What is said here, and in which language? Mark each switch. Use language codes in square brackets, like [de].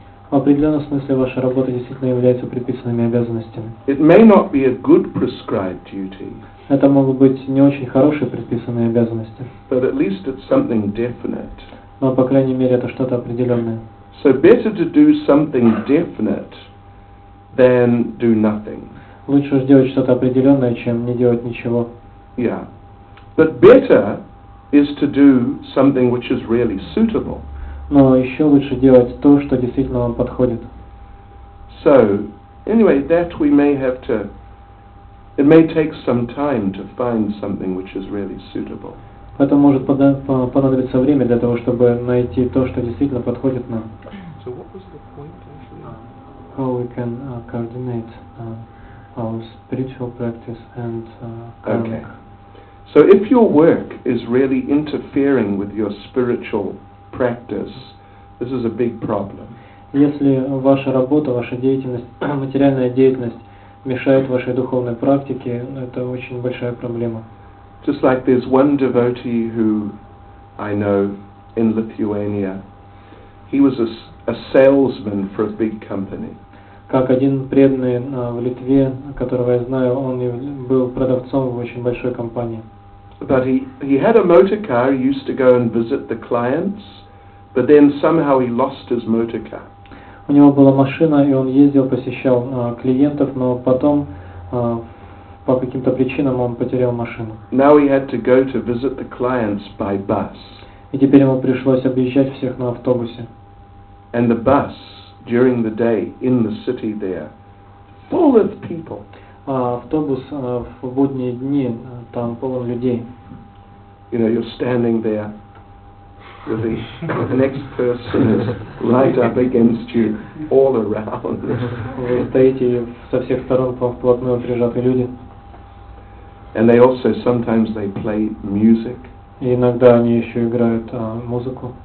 [ru] В определенном смысле ваша работа действительно является предписанными обязанностями. [en] It may not be a good prescribed duty. [ru] Это могут быть не очень хорошие предписанные обязанности. [en] But at least it's something definite. [ru] Но по крайней мере это что-то определенное. [en] So better to do something definite. Then do nothing. [ru] Лучше сделать что-то определенное, чем не делать ничего. [en] Yeah, but better is to do something which is really suitable. [ru] Но еще лучше делать то, что действительно вам подходит. [en] So anyway, that we may have to. It may take some time to find something which is really suitable. [ru] Поэтому может понадобиться время для того, чтобы найти то, что действительно подходит нам. [en] So what was the point? How we can coordinate our spiritual practice and karmic. Okay. So if your work is really interfering with your spiritual practice, this is a big problem. [ru] Если ваша работа, ваша деятельность, материальная деятельность мешает вашей духовной практике, это очень большая проблема. [en] Just like there's one devotee who I know in Lithuania. He was a salesman for a big company. [ru] Как один преданный в Литве, которого я знаю, он был продавцом в очень большой компании. [en] But he had a motor car, used to go and visit the clients, but then somehow he lost his motor car. [ru] У него была машина, и он ездил, посещал клиентов, но потом по каким-то причинам он потерял машину. [en] Now he had to go to visit the clients by bus. [ru] И теперь ему пришлось объезжать всех на автобусе. [en] And the bus during the day in the city there full of people. [ru] А автобус в будние дни там полон людей. [en] You know, you're standing there. The next person is right up against you, all around. [ru] Вы стоите со всех сторон, вам вплотную прижаты люди. [en] And they also sometimes they play music. [ru] И иногда они еще играют музыку.